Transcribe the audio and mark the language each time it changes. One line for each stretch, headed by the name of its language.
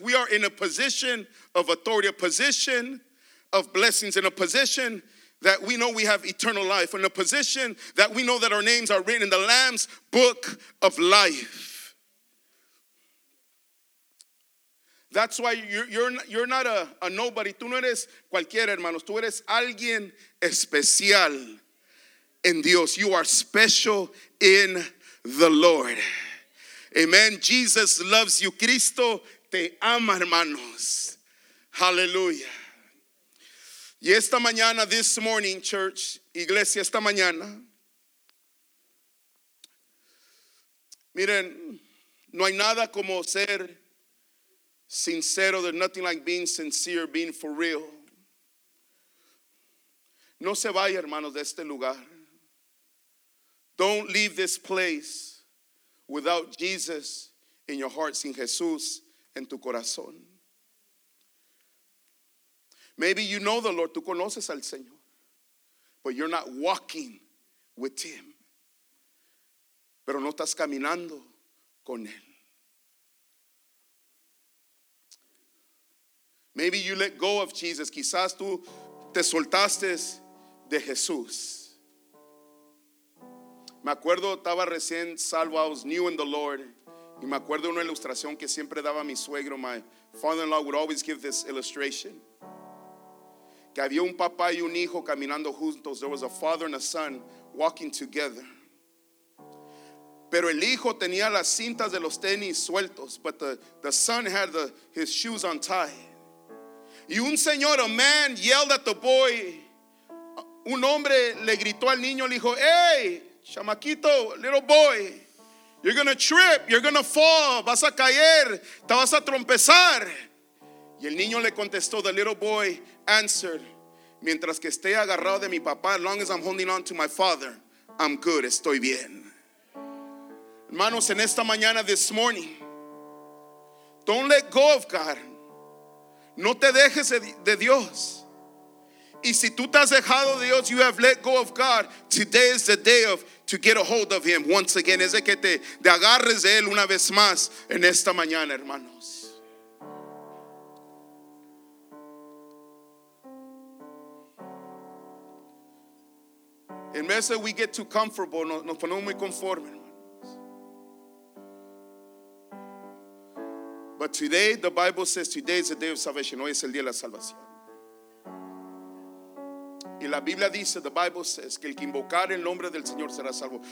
English: We are in a position of authority, a position of blessings, in a position that we know we have eternal life, in a position that we know that our names are written in the Lamb's book of life. That's why you're not a nobody.
Spanish: Tú no eres cualquiera, hermanos. Tú eres alguien especial en Dios.
English: You are special in the Lord. Amen. Jesus loves you.
Spanish: Cristo te ama, hermanos.
English: Hallelujah.
Spanish: Y esta mañana,
English: this morning, church,
Spanish: iglesia, esta mañana, miren, no hay nada como ser sincero.
English: There's nothing like being sincere, being for real.
Spanish: No se vaya, hermanos, de este lugar.
English: Don't leave this place without Jesus in your heart,
Spanish: sin Jesús en tu corazón.
English: Maybe you know the Lord,
Spanish: tú conoces al Señor,
English: but you're not walking with Him.
Spanish: Pero no estás caminando con Él.
English: Maybe you let go of Jesus.
Spanish: Quizás tú te soltaste de Jesús. Me acuerdo, estaba recién salvo.
English: I was new in the Lord.
Spanish: Y me acuerdo una ilustración que siempre daba mi suegro.
English: My father-in-law would always give this illustration.
Spanish: Que había un papá y un hijo caminando juntos.
English: There was a father and a son walking together.
Spanish: Pero el hijo tenía las cintas de los tenis sueltos.
English: But the son had his shoes untied.
Spanish: Y un señor,
English: a man, yelled at the boy.
Spanish: Un hombre le gritó al niño, le dijo, hey, chamaquito,
English: little boy, you're gonna trip, you're gonna fall,
Spanish: vas a caer, te vas a trompezar. Y el niño le contestó,
English: the little boy answered,
Spanish: mientras que esté agarrado de mi papá,
English: as long as I'm holding on to my father, I'm good,
Spanish: estoy bien. Hermanos, en esta mañana,
English: this morning, don't let go of God.
Spanish: No te dejes de Dios. Y si tú te has dejado de Dios,
English: you have let go of God. Today is the day of to get a hold of Him once again.
Spanish: Es de que te agarres de Él una vez más en esta mañana, hermanos. En vez de
English: we get too comfortable,
Spanish: nos ponemos muy conformes.
English: But today, the Bible says, today is the day of salvation.
Spanish: Hoy es el día de la salvación. Y la Biblia dice,
English: the Bible says,
Spanish: que el que invocar el nombre del Señor será salvo.